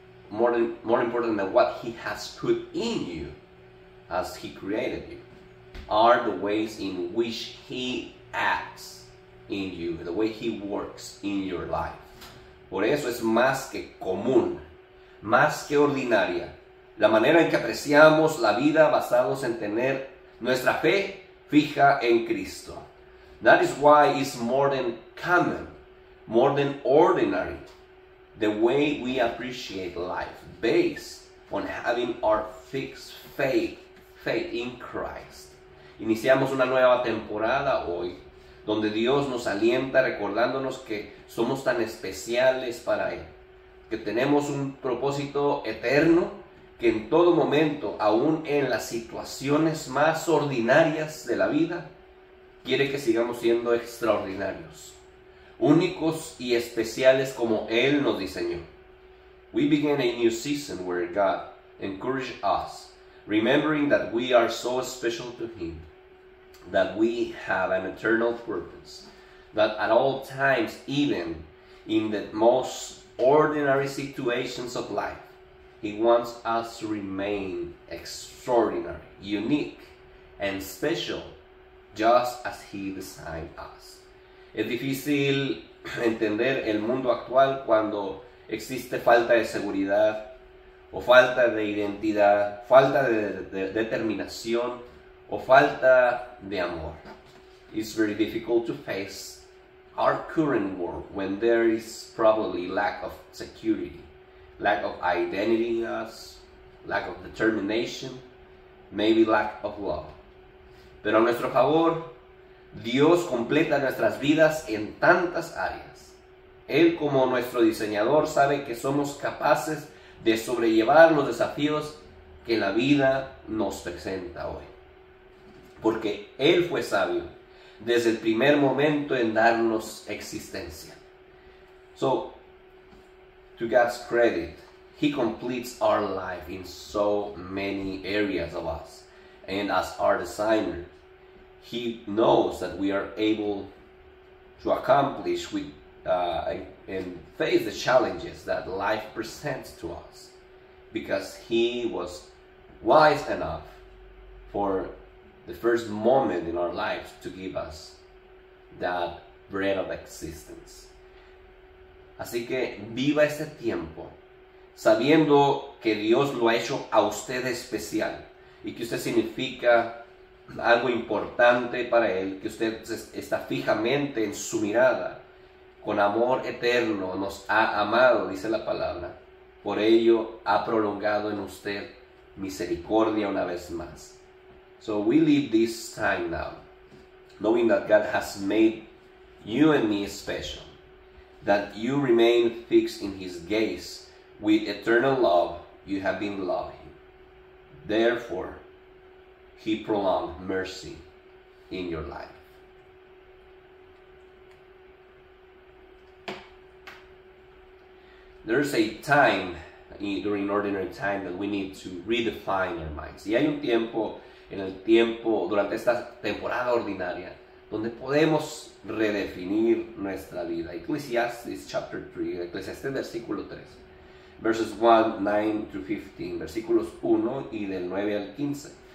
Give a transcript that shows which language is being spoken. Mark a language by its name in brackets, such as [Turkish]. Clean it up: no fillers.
[English] More important than what He has put in you as He created you are the ways in which He acts in you, the way He works in your life. [Spanish] Por eso es más que común, más que ordinaria, la manera en que apreciamos la vida basados en tener nuestra fe fija en Cristo. [English] That is why it's more than common, more than ordinary, the way we appreciate life, based on having our fixed faith in Christ. [Spanish] Iniciamos una nueva temporada hoy, donde Dios nos alienta recordándonos que somos tan especiales para Él, que tenemos un propósito eterno, que en todo momento, aún en las situaciones más ordinarias de la vida, quiere que sigamos siendo extraordinarios, únicos y especiales como Él nos diseñó. [English] We begin a new season where God encouraged us, remembering that we are so special to Him, that we have an eternal purpose, that at all times, even in the most ordinary situations of life, He wants us to remain extraordinary, unique, and special, just as He designed us. [Spanish] Es difícil entender el mundo actual cuando existe falta de seguridad o falta de identidad, falta de determinación o falta de amor. [English] It's very difficult to face our current world when there is probably lack of security, lack of identity in us, lack of determination, maybe lack of love. [Spanish] Pero a nuestro favor, Dios completa nuestras vidas en tantas áreas. Él, como nuestro diseñador, sabe que somos capaces de sobrellevar los desafíos que la vida nos presenta hoy. Porque Él fue sabio desde el primer momento en darnos existencia. [English] So, to God's credit, He completes our life in so many areas of us. And as our designer, He knows that we are able to accomplish with and face the challenges that life presents to us, because He was wise enough for the first moment in our lives to give us that bread of existence. [Spanish] Así que viva este tiempo sabiendo que Dios lo ha hecho a usted especial y que usted significa algo importante para Él, que usted está fijamente en su mirada. Con amor eterno nos ha amado, dice la palabra. Por ello ha prolongado en usted misericordia una vez más. [English] So we live this time now, knowing that God has made you and me special, that you remain fixed in His gaze with eternal love, you have been loving. Therefore, He prolonged mercy in your life. There's a time, during ordinary time, that we need to redefine our minds. [Spanish] Y hay un tiempo, en el tiempo, durante esta temporada ordinaria, donde podemos redefinir nuestra vida. [English] Ecclesiastes chapter 3, [Spanish] Ecclesiastes versículo 3, [English] verses 1, 9 to 15, [Spanish] versículos 1 y del 9 al 15.